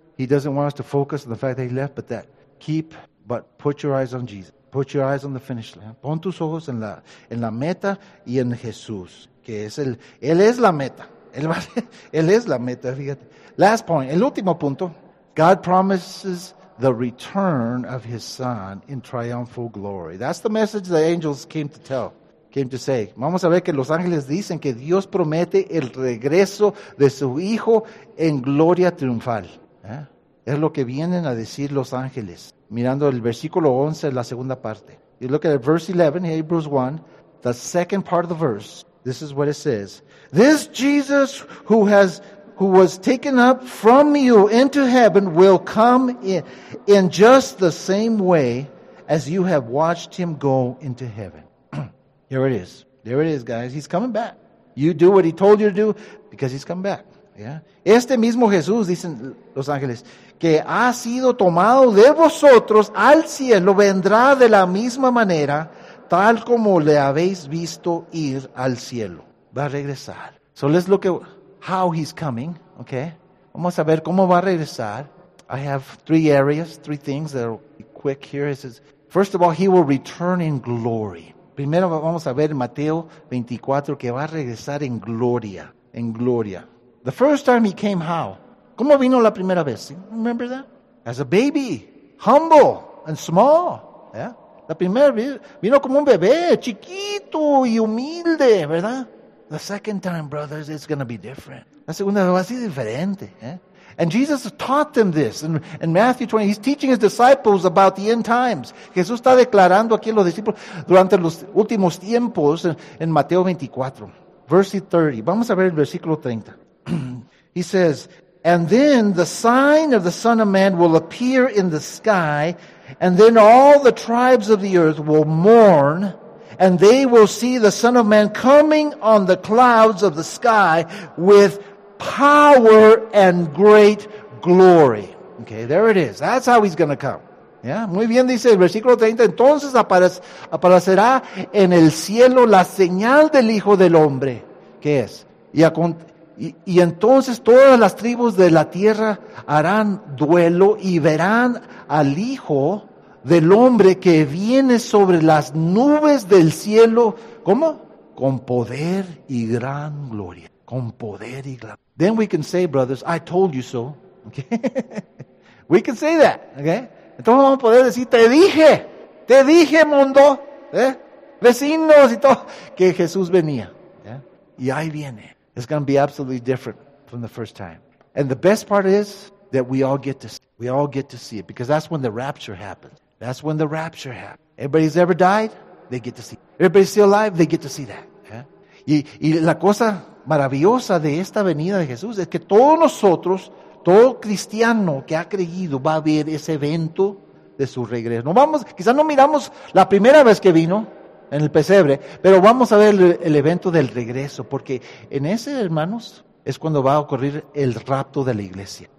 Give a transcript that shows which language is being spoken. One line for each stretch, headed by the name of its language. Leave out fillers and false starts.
English: He doesn't want us to focus on the fact that He left, but put your eyes on Jesus. Put your eyes on the finish line.
Spanish: Pon tus ojos en la meta y en Jesús, que es el, Él es la meta. Él es la meta, fíjate.
English: Last point,
Spanish: el último punto.
English: God promises the return of His Son in triumphal glory. That's the message the angels came to say. Vamos a ver que los ángeles dicen que Dios promete el regreso de su Hijo en gloria triunfal. ¿Eh? Es lo que vienen a decir los ángeles, mirando el versículo 11, la segunda parte. You look at verse 11, Hebrews 1, the second part of the verse. This is what it says. This Jesus who was taken up from you into heaven will come in just the same way as you have watched Him go into heaven. Here it is. There it is, guys. He's coming back. You do what He told you to do because He's coming back.
Spanish: ¿Ya? Este mismo Jesús, dicen los ángeles, que ha sido tomado de vosotros al cielo, vendrá de la misma manera, tal como le habéis visto ir al cielo. Va a regresar.
English: So let's look at how he's coming, okay?
Spanish: Vamos a ver cómo va a regresar.
English: I have three areas, three things that are quick here. It says, first of all, he will return in glory.
Spanish: Primero vamos a ver Mateo 24, que va a regresar en gloria, en gloria.
English: The first time he came, how?
Spanish: ¿Cómo vino la primera vez?
English: Remember that? As a baby, humble and small. Yeah?
Spanish: La primera vez vino como un bebé, chiquito y humilde, ¿verdad?
English: The second time, brothers, it's going to be different.
Spanish: La segunda vez va a ser diferente.
English: Yeah? And Jesus taught them this. In Matthew 20, he's teaching his disciples about the end times.
Spanish: Jesús está declarando aquí a los discípulos durante los últimos tiempos en Mateo 24, verse 30. Vamos a ver el versículo 30.
English: He says, and then the sign of the Son of Man will appear in the sky, and then all the tribes of the earth will mourn, and they will see the Son of Man coming on the clouds of the sky with power and great glory. Okay, there it is. That's how he's going to come. Yeah,
Spanish: muy bien, dice el versículo 30. Entonces aparecerá en el cielo la señal del Hijo del Hombre. ¿Qué es? Y entonces todas las tribus de la tierra harán duelo y verán al Hijo del Hombre que viene sobre las nubes del cielo. ¿Cómo? Con poder y gran gloria. Con poder y gloria.
English: Then we can say, brothers, I told you so. Okay? We can say that. Okay?
Spanish: Entonces vamos a poder decir, te dije, mundo, ¿eh? Vecinos y todo, que Jesús venía. Yeah? Y ahí viene.
English: It's going to be absolutely different from the first time. And the best part is that we all get to see it. Because that's when the rapture happens. That's when the rapture happens. Everybody's ever died, they get to see it. Everybody's still alive, they get to see that. Yeah?
Spanish: Y la cosa maravillosa de esta venida de Jesús es que todos nosotros, todo cristiano que ha creído, va a ver ese evento de su regreso. No vamos, quizás no miramos la primera vez que vino en el pesebre, pero vamos a ver el evento del regreso, porque en ese, hermanos, es cuando va a ocurrir el rapto de la iglesia.